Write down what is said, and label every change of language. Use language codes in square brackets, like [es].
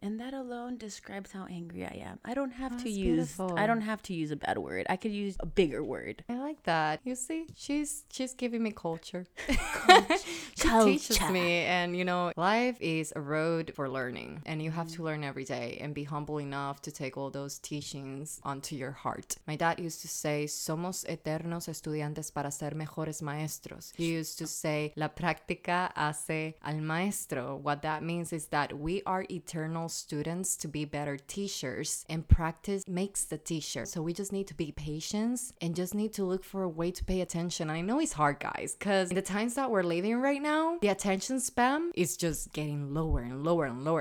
[en] And that alone describes how angry I am. I don't have to use a bad word. I could use a bigger word. I like that. You see, she's giving me culture. She teaches me, and you know, life is a road for learning, and you have to learn every day and be humble enough to take all those teachings onto your heart. [es] My dad used to say, somos eternos estudiantes para ser mejores maestros. He used to say, la práctica hace al maestro. [en] What that means is that we are eternal students to be better teachers, and practice makes the teacher. So we just need to be patient and just need to look for a way to pay attention. And I know it's hard, guys, because in the times that we're living right now, the attention span is just getting lower and lower and lower.